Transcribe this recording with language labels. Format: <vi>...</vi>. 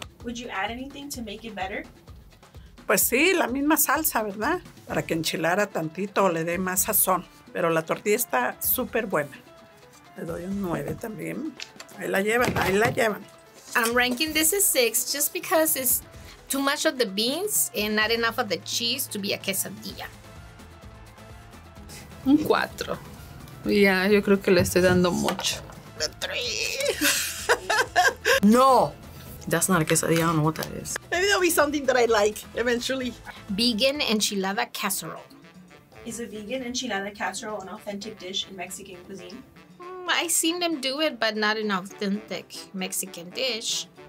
<en>Would you add anything to make it better?</en> <es>Pues sí, la misma salsa, ¿verdad? Para que enchilara tantito o le dé más sazón. Pero la tortilla está súper buena. Le doy un 9 también. Ahí la llevan, ahí la llevan.</es> <en>I'm ranking this a 6 just because it's too much of the beans and not enough of the cheese to be a quesadilla.</en> <es>Un 4. Ya, yo creo que le estoy dando mucho.</es> <en>A 3. No. That's not a quesadilla, I don't know what that is. Maybe there'll be something that I like eventually. Vegan enchilada casserole. Is a vegan enchilada casserole an authentic dish in Mexican cuisine? I seen them do it, but not an authentic Mexican dish.</en>